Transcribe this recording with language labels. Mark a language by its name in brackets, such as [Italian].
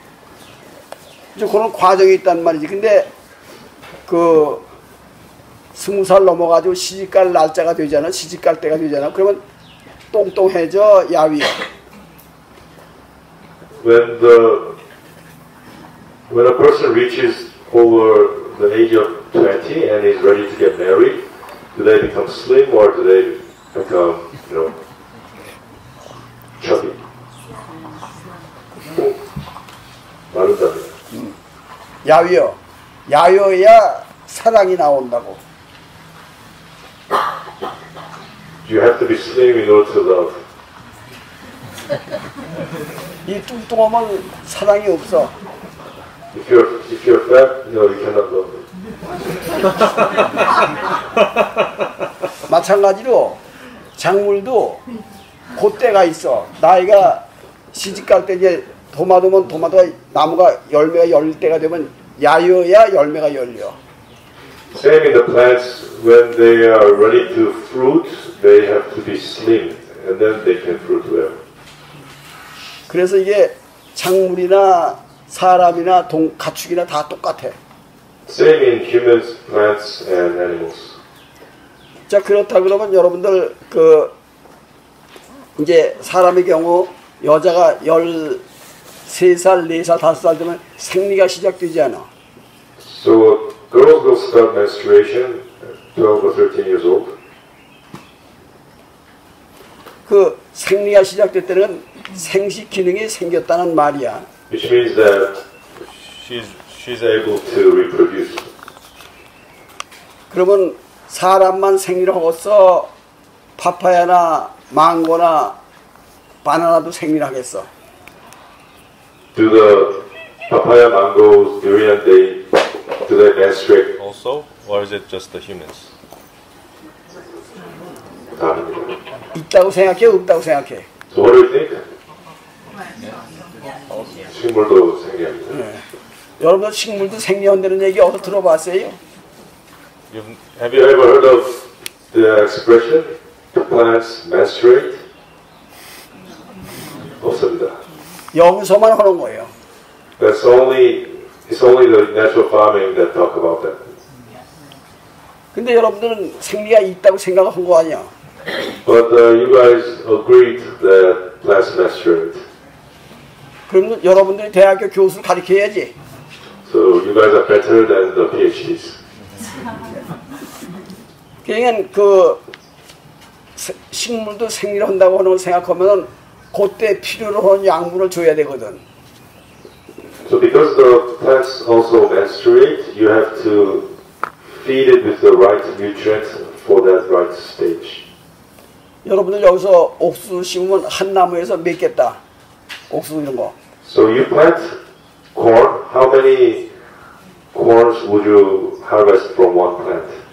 [English] Welcome. [Korean] 이제 그런 과정이 있단 말이지. 근데 그 20살 넘어가지고 시집갈 날짜가 되잖아, 시집갈 때가 되잖아. 그러면 뚱뚱해져, 야위야. [English] When a person reaches over the age of 20 and is ready to get married, do they become slim or do they become, you know, chubby? [Korean] 마른다. 야위여, 야위여야 사랑이 나온다고. [English] You have to be slim in order to love. [Korean] 이 뚱뚱하면 사랑이 없어. [English] If you're fat, you know, you cannot love. [Korean] 마찬가지로 작물도 그 때가 있어. 나이가 시집갈 때 이제 도마도면 도마도가 나무가 열매가 열릴 때가 되면 야유야 열매가 열려. [English] Same in the plants, when they are ready to fruit, they have to be slim, and then they can fruit well. [Korean] 그래서 이게 작물이나 사람이나 동 가축이나 다 똑같아. [English] Same in humans, plants, and animals. [Korean] 자 그렇다 그러면 여러분들 그 이제 사람의 경우 여자가 13살, 4살, 5살 되면 생리가 시작되지 않아. [English] So girls will start menstruation at 12 or 13 years old. [Korean] 그 생리가 시작됐다는 생식 기능이 생겼다는 말이야. [English] Which means that she's able to reproduce. [Korean] 그러면 사람만 생리를 하고서 파파야나 망고나 바나나도 생리를 하겠어. [English] Do the papaya, mangoes, durian, they do they menstruate also, or is it just the humans? [Korean] 아, 있다고 생각해, 없다고 생각해. [English] So what do you think? Yeah. Also, [Korean] 식물도 생리합니다. 네. 여러분들 식물도 생리한다는 얘기 어디서 들어봤어요? [English] Have you ever heard of the expression the plants menstruate? [Korean] 없습니다. 여기서만 하는 거예요. [English] That's only it's only the natural farming that talk about that. [Korean] 근데 여러분들은 생리가 있다고 생각한 거 아니야? [English] But you guys agreed that plants menstruate. [Korean] 그러면 여러분들이 대학교 교수를 가르쳐야지. [English] So you guys are better than the PhDs. [Korean] 그러니까 그 식물도 생리를 한다고 하는 걸 생각하면은 그때 필요로 하는 양분을 줘야 되거든. [English] So because the plants also menstruate, you have to feed it with the right nutrients for that right stage. [Korean] 여러분들 여기서 옥수수 심으면 한 나무에서 몇 개다 옥수수 이런 거. [English] So you plant corn. How many corns would you harvest from one plant?